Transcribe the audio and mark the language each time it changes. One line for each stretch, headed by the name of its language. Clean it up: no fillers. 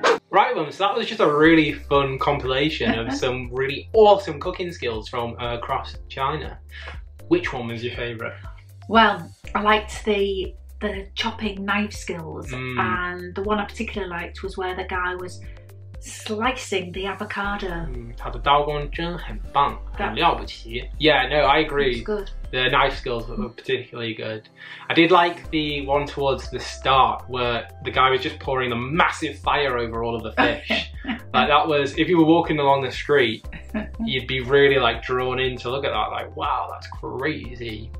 English: Right, Mum, so that was just a really fun compilation of some really awesome cooking skills from across China. Which one was your favourite? Well, I liked the chopping knife skills, and the one I particularly liked was where the guy was slicing the avocado.
Chinese: Mm, 他的刀工真很棒,很了不起.
English: Yeah, no, I agree. It was good. The knife skills were particularly good. I did like the one towards the start where the guy was just pouring a massive fire over all of the fish. Like that was, if you were walking along the street, you'd be really like drawn in to look at that, like, wow, that's crazy.